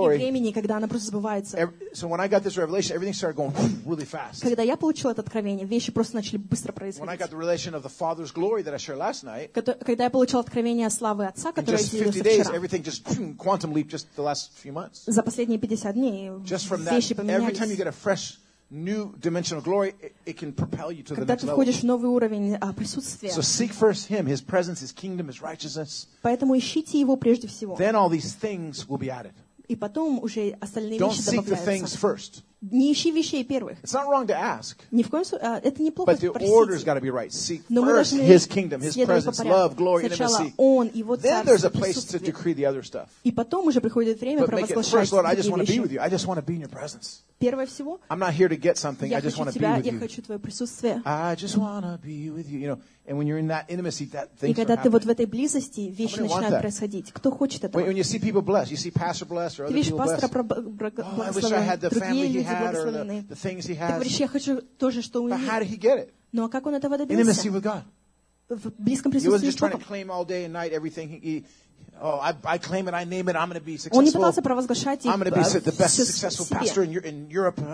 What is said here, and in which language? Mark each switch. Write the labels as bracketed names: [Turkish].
[Russian] времени, когда она просто сбывается? Когда я получил это откровение, вещи просто начали быстро происходить. Когда я получил откровение славы Отца, которое я делился вчера, за последние 50 дней вещи поменялись. [English] New dimension of glory, it can propel you to [Russian] когда [English] the next level. [Russian] Когда ты входишь в новый уровень присутствия. [English] So seek first Him, His presence, His kingdom, His righteousness. [Russian] Поэтому ищите Его прежде всего. [English] Then all these things will be added. [Russian] И потом уже остальные вещи добавляются. [English] Don't seek the things first. [Russian] Не ищи вещей первых. [English] It's not wrong to ask. [Russian] Ни в коем случае, это неплохо спросить. [English] But the order's got to be right. Seek first His kingdom, His presence, love, glory, intimacy. [Russian] Сначала Он, Его Царство, [English] Then there's a place to decree the other stuff. [Russian] И потом уже приходит время провозглашать другие вещи. [English] But make it first, Lord, I just want to be with You. I just want to be in Your presence. [Russian] Первое всего. [English] I'm not here to get something. I just want to be with You. [Russian] Я хочу Твое присутствие. [English] I just want to be with You. You know, and when you're in that intimacy, that things happen. [Russian] И когда ты вот в этой близости, вещи начинают происходить. Кто хочет этого? [English] When you see people blessed, you see pastor blessed or other people blessed. [Russian] Ты видишь пастора благословенного. [English] The things he has. [Russian] Ты говоришь, я хочу тоже, что у него. [English] But how did he get it? [Russian] Ну, а как он этого добился? [English] Intimacy with God. [Russian] В близком присутствии. [English] He wasn't just trying to claim all day and night everything. I claim it, I name it, I'm going to be successful. [Russian] Он не пытался провозглашать. [English] I'm going to be the best successful pastor in Europe.